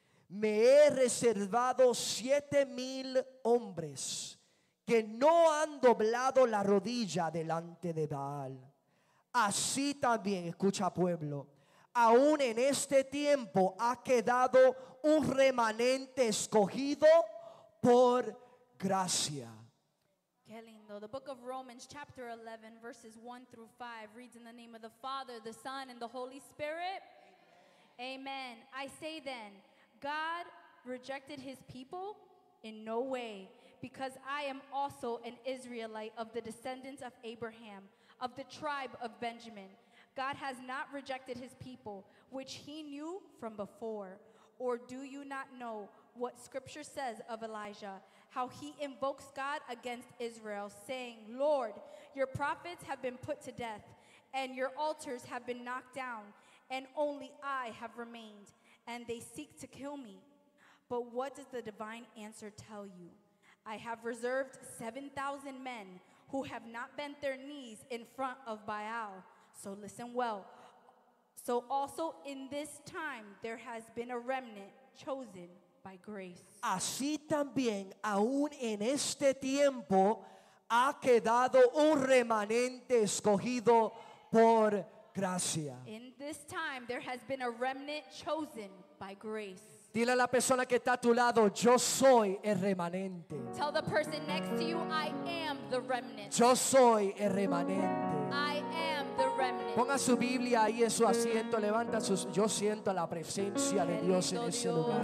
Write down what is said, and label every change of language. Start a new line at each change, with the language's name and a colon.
Spanish: Me he reservado 7,000 hombres que no han doblado la rodilla delante de Baal. Así también, escucha pueblo, aún en este tiempo ha quedado un remanente escogido por gracia. Qué lindo.
English: The book of Romans, chapter 11, verses 1 through 5, reads in the name of the Father, the Son, and the Holy Spirit. Amen. Amen. I say then, God rejected his people in no way, because I am also an Israelite of the descendants of Abraham, of the tribe of Benjamin. God has not rejected his people, which he knew from before. Or do you not know what scripture says of Elijah, how he invokes God against Israel, saying, Lord, your prophets have been put to death, and your altars have been knocked down, and only I have remained, and they seek to kill me. But what does the divine answer tell you? I have reserved 7,000 men who have not bent their knees in front of Baal. So listen well. So also in this time there has been a remnant chosen by grace.
Spanish: Así también, aún en este tiempo, ha quedado un remanente escogido por gracia.
English: In this time there has been a remnant chosen by grace.
Spanish: Dile a la persona que está a tu lado, yo soy el remanente.
English: Tell the person next to you, I am the remnant.
Spanish: Yo soy el remanente.
English: I am the remnant.
Spanish: Ponga su Biblia ahí en su asiento, levanta sus. Yo siento la presencia de Dios en ese lugar.